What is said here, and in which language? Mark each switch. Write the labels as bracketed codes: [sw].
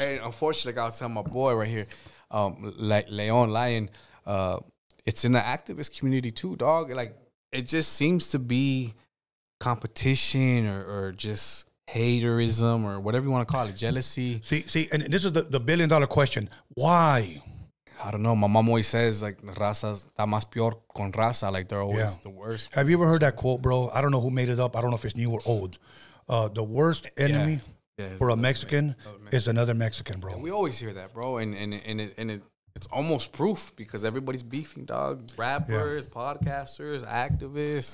[en] And unfortunately, I was telling my boy right here, Leon Lion, it's in the activist community too, dog. Like, it just seems to be competition or just haterism or whatever you want to call it, jealousy. See, and this is the billion-dollar question. Why? I don't know. My mom always says, like, [es] raza está más peor con raza. [en] Like, they're always the worst. Have you ever heard that quote, bro? I don't know who made it up. I don't know if it's new or old. The worst enemy for a Mexican is another Mexican, bro. Yeah, we always hear that, bro. And it's almost proof, because everybody's beefing, dog. Rappers, podcasters, activists.